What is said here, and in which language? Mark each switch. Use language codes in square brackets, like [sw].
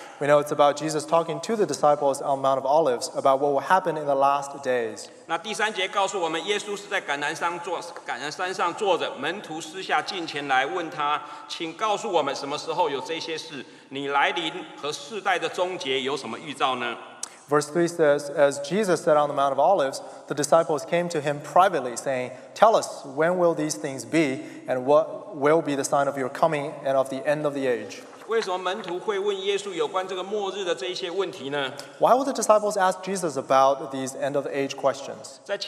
[en] We know it's about Jesus talking to the disciples on Mount of Olives about what will happen in the last days. [zh] 那第三节告诉我们，耶稣是在橄榄山坐着，门徒私下进前来问他，请告诉我们什么时候有这些事，你来临和世代的终结有什么预兆呢？ [en] Verse 3 says, as Jesus sat on the Mount of Olives, the disciples came to him privately, saying, Tell us, when will these things be, and what will be the sign of your coming and of the end of the age? Why would the disciples ask Jesus about these end-of-age questions?